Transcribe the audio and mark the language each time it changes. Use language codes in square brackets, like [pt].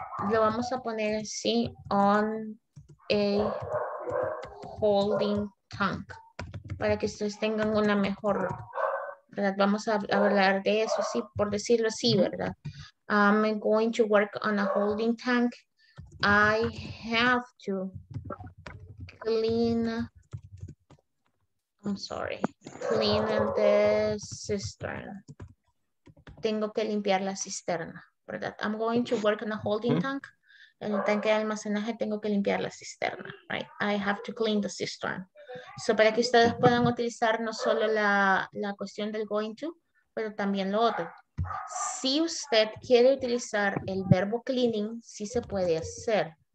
[es] Lo vamos a poner así, [en] on a holding tank, [es] para que ustedes tengan una mejor, ¿verdad? Vamos a hablar de eso, sí, por decirlo así, ¿verdad? [en] I'm going to work on a holding tank. I have to clean, clean the cistern. [es] Tengo que limpiar la cisterna, ¿verdad? [en] I'm going to work on a holding tank. [es] En el tanque de almacenaje tengo que limpiar la cisterna, right? [en] I have to clean the cistern. [es] So, para que ustedes puedan utilizar no solo la cuestión del going to, pero también lo otro. Si usted quiere utilizar el verbo cleaning, sí se puede hacer.